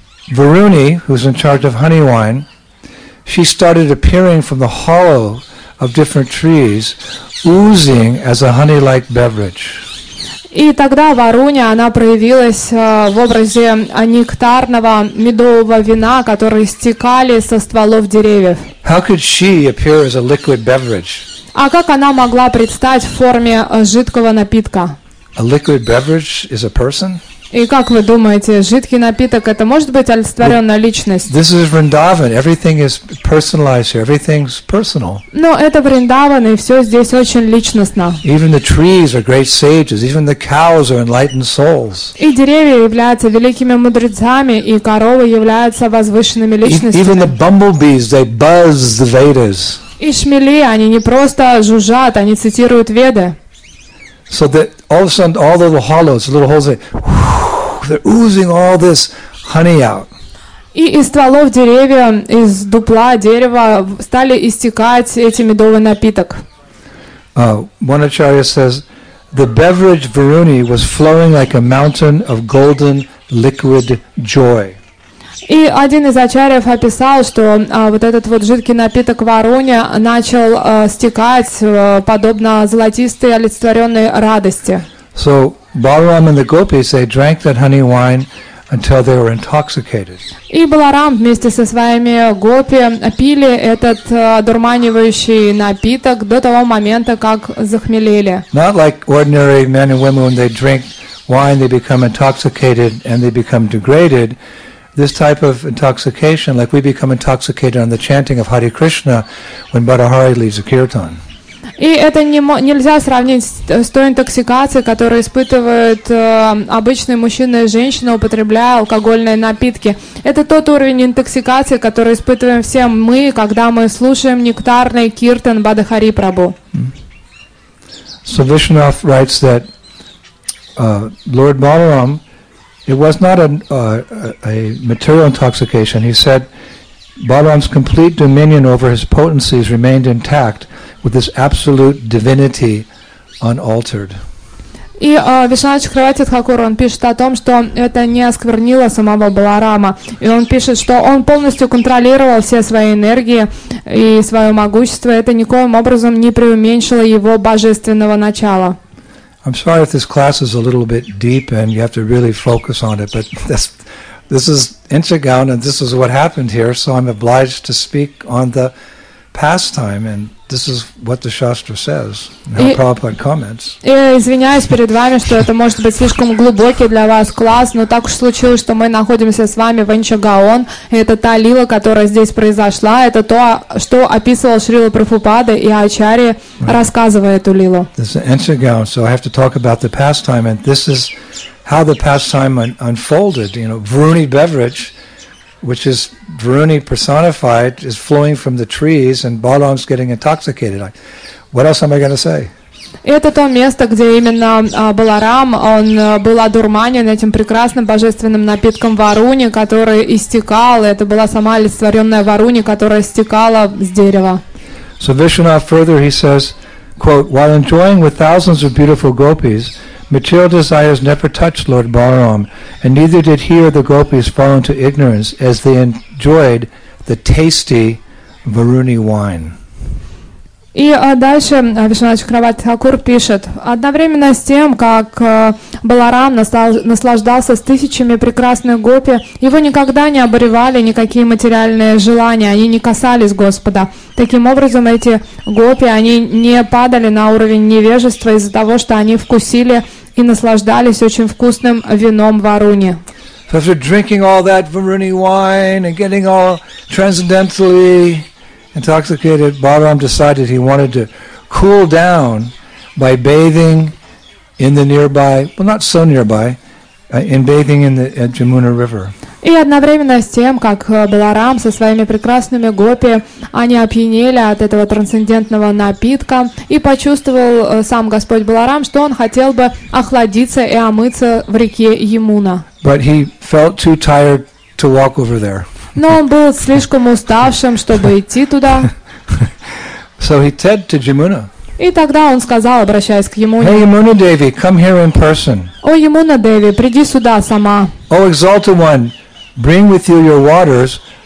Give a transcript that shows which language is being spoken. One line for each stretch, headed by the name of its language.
English: Varuni, who's in charge of honey wine, she started appearing from the hollow of different trees, oozing as a honey-like beverage.
Russian: И тогда Варуня, она проявилась в образе нектарного медового вина, который стекали со стволов деревьев.
English: How could she appear as a liquid beverage?
Russian: А как она могла предстать в форме жидкого напитка?
English: A liquid beverage is a person?
Russian: И как вы думаете, жидкий напиток это может быть олицетворенная личность?
English: This is Vrindavan. Everything is personalized here. Everything's personal.
Russian: Но это Вриндаван, и все здесь очень личностно.
English: Even the trees are great sages. Even the cows are enlightened souls.
Russian: И деревья являются великими мудрецами, и коровы являются возвышенными личностями.
English: Even the bumblebees, they buzz the Vedas.
Russian: И шмели, они не просто жужжат, они цитируют Веды.
English: So that all of a sudden, all the little hollows, the little holes, they're oozing all this honey out.
Russian: И из стволов деревьев, из дупла дерева стали истекать эти медовый напиток.
English: One acharya says, the beverage Varuni was flowing like a mountain of golden liquid joy.
Russian: И один из ачарьев описал, что вот этот вот жидкий напиток Варуни начал стекать подобно золотистой олицетворенной радости.
English: So Balaram and the gopis, they drank that honey wine until they were intoxicated.
Russian: И Баларам вместе со своими гопи пили этот одурманивающий напиток до того момента, как захмелели.
English: Not like ordinary men and women, when they drink wine, they become intoxicated and they become degraded. This type of intoxication, like we become intoxicated on the chanting of Hare Krishna when Bhadahari leads the kirtan.
Russian: И это нельзя сравнить с той интоксикацией, которую испытывают обычные мужчины и женщины, употребляя алкогольные напитки. Это тот уровень интоксикации, который испытываем все мы, когда мы слушаем нектарный киртан Бадха Хари Прабху.
English: So Vishwanath writes that Lord Balaram, it was not a material intoxication. He said Balaram's complete dominion over his potencies remained intact, with his absolute divinity unaltered.
Russian: И Вишванат Чакраварти Тхакура, он пишет о том, что это не осквернило самого Баларама. И он пишет, что он полностью контролировал все свои энергии и свое могущество. Это никоим образом не преуменьшило его божественного начала.
English: I'm sorry if this class is a little bit deep and you have to really focus on it, but this is Inchagaon and this is what happened here, so I'm obliged to speak on the pastime and this is what the Shastra says, and how Prabhupada comments.
Russian: Извиняюсь перед вами, что это может быть слишком глубокий для вас класс, но так уж случилось, что мы находимся с вами в Инчагаон, и это та лила, которая здесь произошла, это то, что описывал Шрила Прабхупада, и Ачарья, рассказывая эту лилу.
English: This is Inchagaon, so I have to talk about the pastime, and this is how the pastime unfolded. You know, Vruni beverage, which is Vruni personified, is flowing from the trees, and Balaram's getting intoxicated. What else am I going to say?
Russian: Это то место, где именно Баларам, он был одурманен этим прекрасным божественным напитком Варуни, который истекал, это была сама олицетворенная Варуни, которая истекала с дерева.
English: So Vishwanath further, he says, quote, while enjoying with thousands of beautiful gopis, material desires never touched Lord Balaram, and neither did he or the gopis fall into ignorance as they enjoyed the tasty Varuni wine.
Russian: И дальше Вишванат Чакраварти Тхакур пишет, одновременно с тем, как Баларам наслаждался с тысячами прекрасных гопи, его никогда не обуревали никакие материальные желания, они не касались Господа. Таким образом, эти гопи, они не падали на уровень невежества из-за того, что они вкусили и наслаждались очень вкусным вином Варуни.
English: So after drinking all that Varuni wine and getting all transcendentally intoxicated, Balaram decided he wanted to cool down by bathing in the nearby, well, not so nearby, in bathing in the Jamuna River.
Russian: И одновременно с тем, как Баларам со своими прекрасными гопи, они опьянели от этого трансцендентного напитка, и почувствовал сам Господь Баларам, что он хотел бы охладиться и омыться в реке Ямуна.
English: But he felt too tired to walk over there.
Russian: Но он был слишком уставшим, чтобы идти туда.
English: So he said to Jamuna.
Russian: И тогда он сказал, обращаясь к Ямуне.
English: Hey, Yamuna Devi, come here in person.
Russian: О, Ямуна Деви, приди сюда сама.
English: Oh, exalted one, bring with you your waters.